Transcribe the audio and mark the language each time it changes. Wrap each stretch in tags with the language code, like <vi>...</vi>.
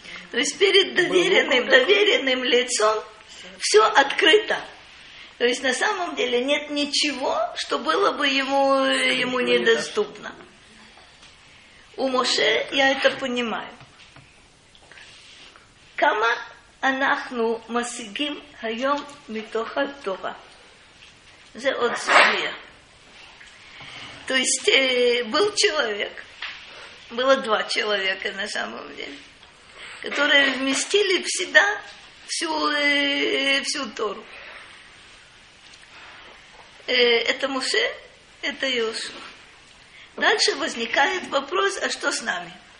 <ru>То есть перед доверенным лицом все открыто. То есть на самом деле нет ничего, что было бы ему недоступно. У Моше я это понимаю. Кама</ru> <he>אנחנו משיגים היום מתוך התורה. זה עוד סוגיה.</he> <ru>То есть был человек, было два человека на самом деле, которые вместили в себя всю Тору. Это Моше, это Иешуа. Дальше возникает вопрос, а что с нами?</ru>